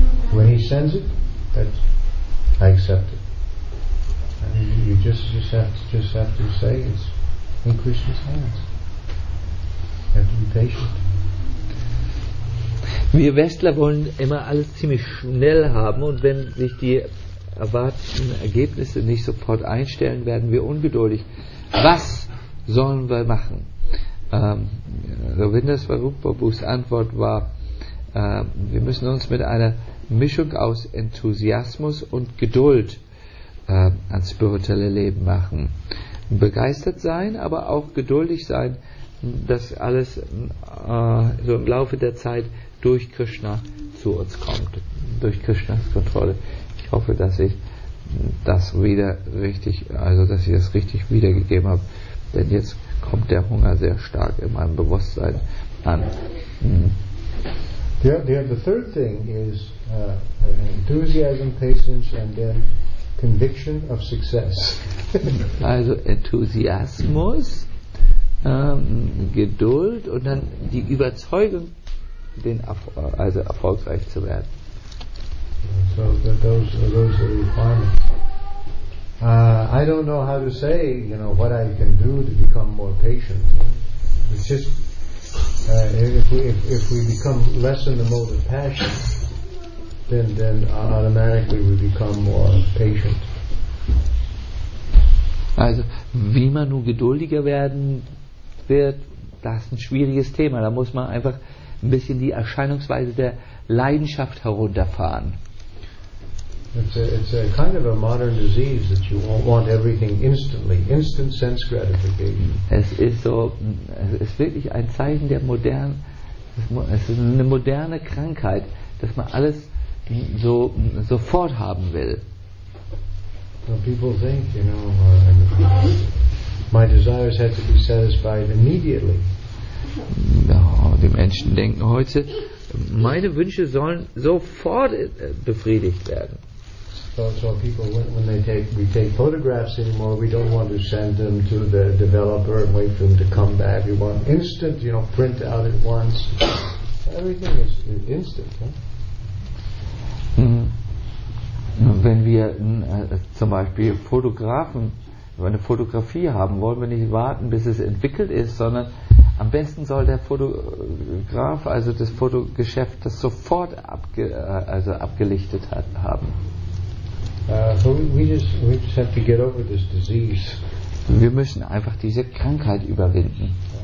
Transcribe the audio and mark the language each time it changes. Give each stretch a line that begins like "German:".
English: When he sends it, I accept it. You just have to say it's in Krishna's hands. You have to be patient.
German: Wir Westler wollen immer alles ziemlich schnell haben, und wenn sich die erwarteten Ergebnisse nicht sofort einstellen, werden wir ungeduldig. Was sollen wir machen? Ravindra Swarup Prabhus Antwort war, wir müssen uns mit einer Mischung aus Enthusiasmus und Geduld an spirituelle Leben machen. Begeistert sein, aber auch geduldig sein, dass alles so im Laufe der Zeit durch Krishna zu uns kommt, durch Krishnas Kontrolle. Ich hoffe, dass ich das wieder richtig, also dass ich das richtig wiedergegeben habe, denn jetzt kommt der Hunger sehr stark in meinem Bewusstsein an.
English: The third thing is enthusiasm, patience and then conviction of success.
German: Also Enthusiasmus, Geduld und dann die Überzeugung, also erfolgreich zu werden.
English: So those are requirements. I don't know how to say, you know, what I can do to become more patient. It's just if we become less in the mode of passion, then automatically we become more patient.
German: Also wie man nun geduldiger werden wird, das ist ein schwieriges Thema. Da muss man einfach ein bisschen die Erscheinungsweise der Leidenschaft herunterfahren.
English: It's a kind of a modern disease that you want everything instantly, instant sense gratification.
German: Es ist wirklich ein Zeichen der modernen, es ist eine moderne Krankheit, dass man alles so sofort haben will.
English: So people think, you know, my desires have to be satisfied immediately.
German: Die Menschen denken heute, meine Wünsche sollen sofort befriedigt werden.
English: So people, when we take photographs anymore, we don't want to send them to the developer and wait for them to come back. We want instant, you know, print out at once. Everything is instant. Huh?
German: Wenn wir zum Beispiel Fotografen, eine Fotografie haben, wollen wir nicht warten, bis es entwickelt ist, sondern am besten soll der Fotograf, also das Fotogeschäft, das sofort abgelichtet haben.
English: So we just have to get over this disease.
German: Wir müssen einfach diese Krankheit überwinden.